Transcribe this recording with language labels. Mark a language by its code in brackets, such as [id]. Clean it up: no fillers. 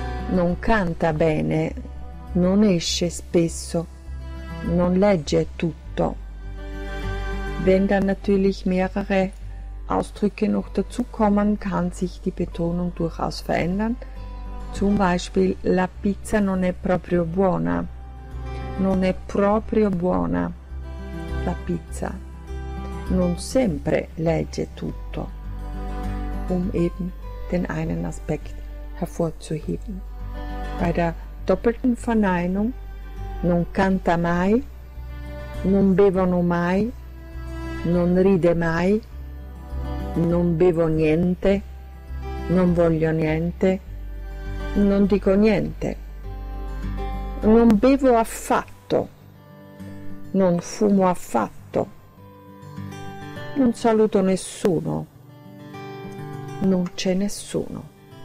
[it] Non canta bene. Non esce spesso. Non legge tutto. [de] Wenn dann natürlich mehrere Ausdrücke noch dazukommen, kann sich die Betonung durchaus verändern. Zum Beispiel, [it] la pizza non è proprio buona. Non è proprio buona. La pizza non sempre legge tutto. [de] Um eben den einen Aspekt hervorzuheben. Bei der doppelten Verneinung, [it] non canta mai, non bevono mai, non ride mai, non bevo niente, non voglio niente, non dico niente, non bevo affatto, non fumo affatto, non saluto nessuno, non c'è nessuno.